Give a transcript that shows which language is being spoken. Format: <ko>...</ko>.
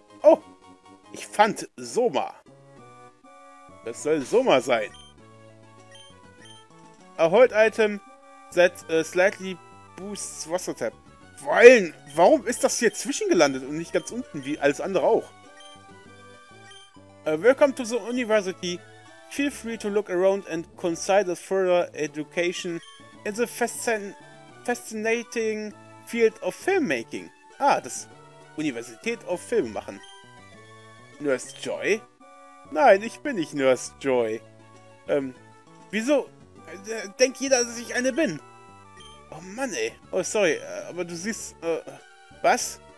<de>Oh, ich fand Soma. Das soll Soma sein.</de> <en>Erholt Item. Set slightly boosts Wasser Tap.</en> <de>Warum ist das hier zwischengelandet und nicht ganz unten, wie alles andere auch?</de> <en>Welcome to the university. Feel free to look around and consider further education in the fascinating field of filmmaking.</en> <de>Ah, das Universität auf Filme machen. Nurse Joy? Nein, ich bin nicht Nurse Joy. Wieso? Denkt jeder, dass ich eine bin? Oh Mann, ey. Oh, sorry, aber du siehst, was?</de>